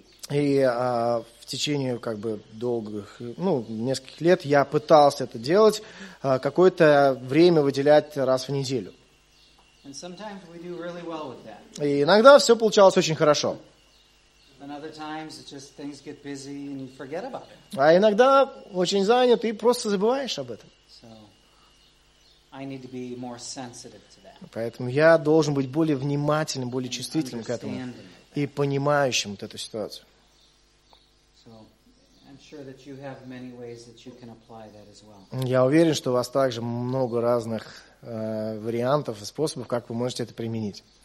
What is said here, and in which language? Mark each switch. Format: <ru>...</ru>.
<ru>И в течение как бы долгих, ну, нескольких лет я пытался это делать, какое-то время выделять раз в неделю.</ru> <en>And sometimes we do really well with that.</en> <ru>И иногда все получалось очень хорошо.</ru> <en>And other times it's just things get busy and you forget about it.</en> <ru>А иногда очень занят и просто забываешь об этом.</ru> <en>So I need to be more sensitive to that.</en> <ru>Поэтому я должен быть более внимательным, более чувствительным к этому и понимающим вот эту ситуацию. Я уверен, что у вас также много разных вариантов и способов, как вы можете это применить.</ru>